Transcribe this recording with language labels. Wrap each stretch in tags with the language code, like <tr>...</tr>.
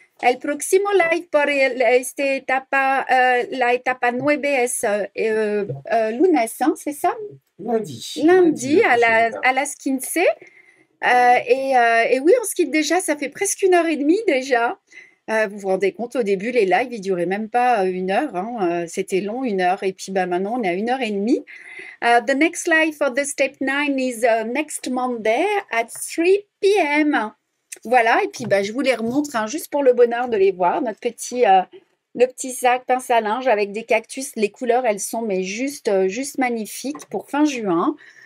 <es>El próximo live por la etapa 9 es lunes,</es> <fr>hein, c'est ça? Lundi, Lundi la prochaine étape. à la Skinsey. Et oui, on se quitte déjà, ça fait presque 1 h 30 déjà. Vous vous rendez compte, au début, les lives, ils ne duraient même pas 1 heure. Hein, c'était long, 1 heure. Et puis maintenant, on est à 1 h 30.</fr> <en>The next live for the step 9 is next Monday at 3 p.m.</en> <fr>Voilà, et puis je vous les remontre hein, juste pour le bonheur de les voir. Le petit sac pince à linge avec des cactus. Les couleurs, elles sont mais juste magnifiques pour fin juin.</fr>